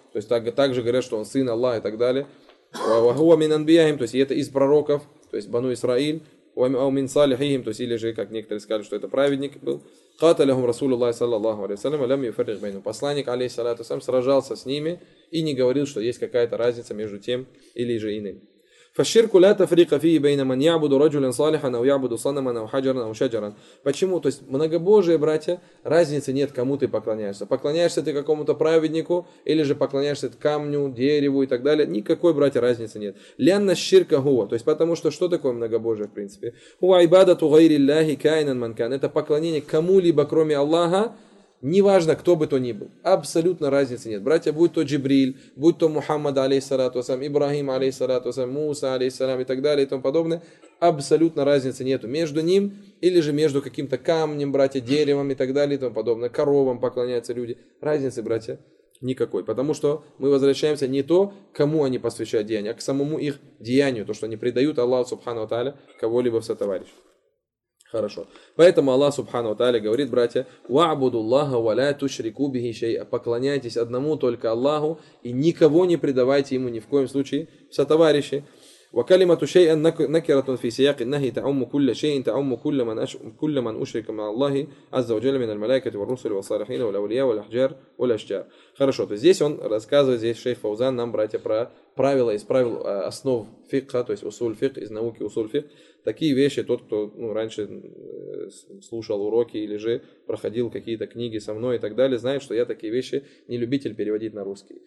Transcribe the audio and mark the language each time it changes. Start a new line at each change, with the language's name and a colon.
Russian: То есть также говорят, что он сын Аллаха и так далее.
Arabic: وَهُوَ مِنْ أَنْبِيَهِمْ,
Russian: то есть это из пророков, то есть Бану Исраиль,
Arabic: وَمِنْ صَالِحِهِمْ,
Russian: то есть или же, как некоторые сказали, что это праведник был,
Arabic: قَاتَلَهُمْ رَسُولُ اللَّهِ صَلَّى اللَّهُ عَلَيْهِ وَسَلَّمَ لَمْ يُفَرِّقْ بَيْنَهُمْ,
Russian: посланник, алейхиссалату вассалям, сражался с ними и не говорил, что есть какая-то разница между тем или же иным.
Arabic: فَالشِّرْكُ لَا تَفْرِيقَ فِيهِ بَيْنَ مَنْ يَعْبُدُ رَجُلًا صَالِحًا أَوْ يَعْبُدُ صَنَمًا أَوْ حَجَرًا أَوْ شَجَرًا.
Russian: Почему? То есть многобожие, братья, разницы нет, кому ты поклоняешься. Поклоняешься ты какому-то праведнику или же поклоняешься камню, дереву и так далее. Никакой, братья, разницы нет.
Arabic: لِأَنَّ الشِّرْكَ هُوَ,
Russian: то есть потому что такое многобожие в принципе?
Arabic: هُوَ عِبَادَةُ غَيْرِ اللَّهِ كَائِنًا مَنْ كَانَ.
Russian: Это поклонение кому-либо, кроме Аллаха. Неважно, кто бы то ни был, абсолютно разницы нет. Братья, будь то Джибриль, будь то Мухаммад, алейхиссалату вассалям, Ибрахим, алейхиссалату вассалям, Муса, алейхиссалам и так далее и тому подобное, абсолютно разницы нету между ним или же между каким-то камнем, братья, деревом и так далее и тому подобное, коровам поклоняются люди. Разницы, братья, никакой, потому что мы возвращаемся не то, кому они посвящают деяния, а к самому их деянию, то, что они предают Аллаху субхану ва тааля кого-либо в сотоварищ. Хорошо. Поэтому Аллах Субхану ва тааля говорит, братья,
Arabic: «Ва'буду Аллаха ва ля тушрику бихи шайа».
Russian: Поклоняйтесь одному только Аллаху и никого не предавайте ему ни в коем случае в сотоварищи.
Arabic: وكلمة شيء نكرة في سياق النهي تعم كل شيء تعم كل من كل من أشرك مع الله عز وجل من الملائكة والرسل والصالحين والأولياء والأحجار والأشجار.
Russian: Хорошо, то здесь он рассказывает, здесь шейх Фаузан нам, братья, про правила из правил основ фикха, то есть усуль фикх, из науки усуль фикх. Такие вещи, тот, кто ну, раньше слушал уроки или же проходил какие-то книги со мной и так далее, знает, что я такие вещи не любитель переводить на русский.